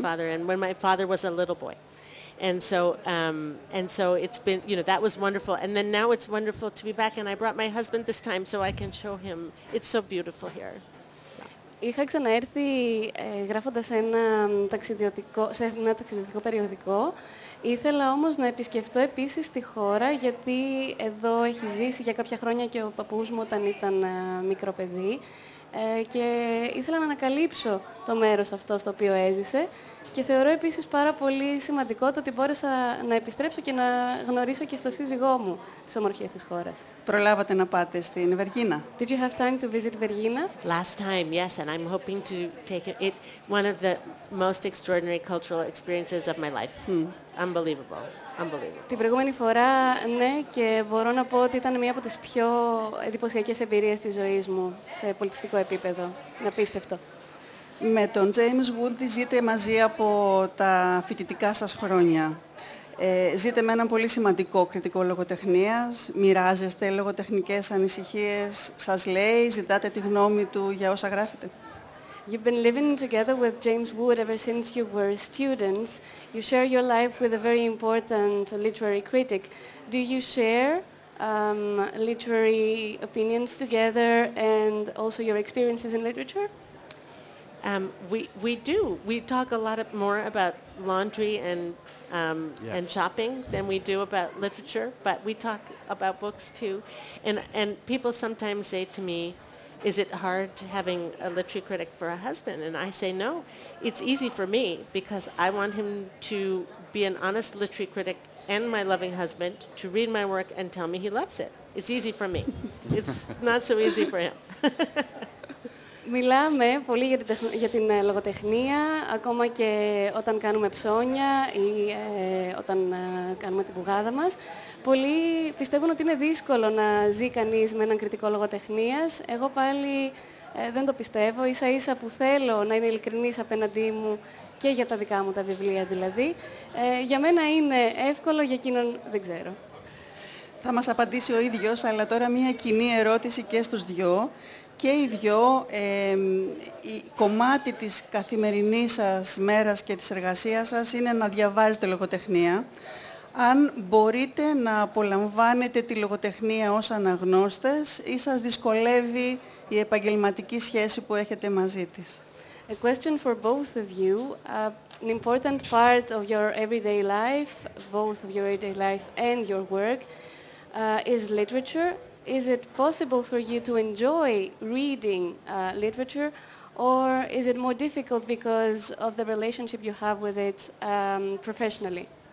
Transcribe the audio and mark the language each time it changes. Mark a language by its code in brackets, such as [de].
[en] grandfather, and when my father was a little boy, and so it's been, you know, that was wonderful, and then now it's wonderful to be back, and I brought my husband this time so I can show him. It's so beautiful here. [el] Είχα ξαναέρθει γράφοντας ένα ταξιδιωτικό περιοδικό. Ήθελα όμως να επισκεφτώ επίσης τη χώρα, γιατί εδώ έχει ζήσει για κάποια χρόνια και ο παππούς μου όταν ήταν μικρό παιδί. Και ήθελα να ανακαλύψω το μέρος αυτό στο οποίο έζησε. Και θεωρώ επίσης πάρα πολύ σημαντικό το ότι μπόρεσα να επιστρέψω και να γνωρίσω και στο σύζυγό μου τις ομορφιές της χώρας. Προλάβατε να πάτε στην Βεργίνα? [en] Did you have time to visit Βεργίνα? Last time, yes, and I'm hoping to take it. One of the most extraordinary cultural experiences of my life. Mm. Unbelievable. [el] Την προηγούμενη φορά, ναι, και μπορώ να πω ότι ήταν μία από τις πιο εντυπωσιακές εμπειρίες της ζωής μου σε πολιτιστικό επίπεδο. Είναι απίστευτο. Με τον James Wood ζείτε μαζί από τα φοιτητικά σας χρόνια. Ζείτε με έναν πολύ σημαντικό κριτικό λογοτεχνίας, μοιράζεστε λογοτεχνικές ανησυχίες, σας λέει, ζητάτε τη γνώμη του για όσα γράφετε. [en] You've been living together with James Wood ever since you were students. You share your life with a very important literary critic. Do you share literary opinions together and also your experiences in literature? We do. We talk a lot more about laundry and yes. and shopping than we do about literature, but we talk about books too. And people sometimes say to me, is it hard having a literary critic for a husband? And I say, no, it's easy for me because I want him to be an honest literary critic and my loving husband to read my work and tell me he loves it. It's easy for me. It's not so easy for him. [el] Μιλάμε πολύ για την λογοτεχνία, ακόμα και όταν κάνουμε ψώνια ή όταν κάνουμε την πουγάδα μας. Πολλοί πιστεύουν ότι είναι δύσκολο να ζει κανείς με έναν κριτικό λογοτεχνίας. Εγώ πάλι δεν το πιστεύω, ίσα-ίσα που θέλω να είναι ειλικρινής απέναντί μου και για τα δικά μου τα βιβλία δηλαδή. Για μένα είναι εύκολο, για εκείνον δεν ξέρω. Θα μας απαντήσει ο ίδιος, αλλά τώρα μία κοινή ερώτηση και στους δυο. Και οι δυο, η κομμάτι της καθημερινής σας μέρας και της εργασίας σας είναι να διαβάζετε λογοτεχνία. Αν μπορείτε να απολαμβάνετε τη λογοτεχνία ως αναγνώστες ή σας δυσκολεύει η επαγγελματική σχέση που έχετε μαζί της? [en] A question for both of you. An important part of your everyday life, both of your everyday life and your work, is literature. Is it possible for you to enjoy reading literature, or is it more difficult because of the relationship you have with it professionally?